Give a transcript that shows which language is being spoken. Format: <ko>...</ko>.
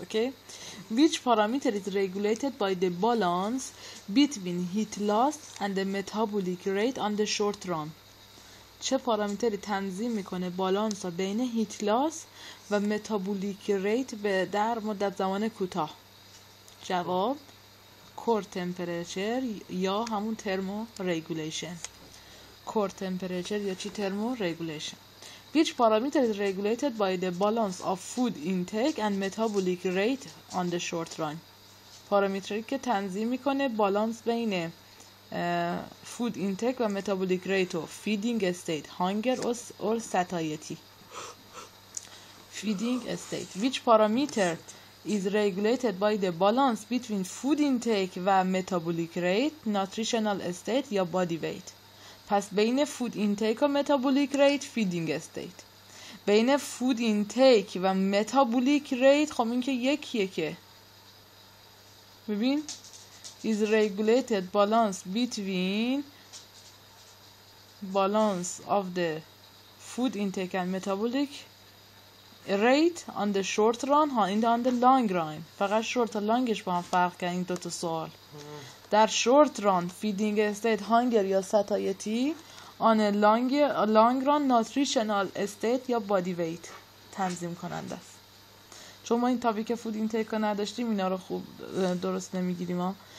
<en>Okay, which parameter is regulated by the balance between heat loss and the metabolic rate on the short run.</en> <fa>چه پارامیتری تنظیم میکنه بالانس رو بین heat loss و metabolic rate در مدت زمان کوتاه؟ جواب core temperature یا همون thermo regulation.</fa> <en>Core temperature یا چی thermo regulation. Which parameter is regulated by the balance of food intake and metabolic rate on the short run.</en> <fa>پارامیتری که تنظیم میکنه بالانس بین</fa> <en>food intake و metabolic rate و feeding state hunger or satiety. Feeding state. Which parameter is regulated by the balance between food intake و metabolic rate, nutritional state یا body weight. پس بین food intake و metabolic rate feeding state. بین food intake و metabolic rate</en> <fa>خب این که یکیه که ببین</fa> <en>is regulated balance between balance of the food intake and metabolic rate on the short run ها in the long run.</en> <fa>فقط short and longش با هم فرق کرد این دوتا سوال. در short run feeding state hunger یا satiety,</fa> <en>on a long run nutritional state</en> <fa>یا body weight تنظیم کننده است. چون ما این تاپیک فود اینتیک نداشتیم اینا رو خوب درست نمیگیریم ها.</fa>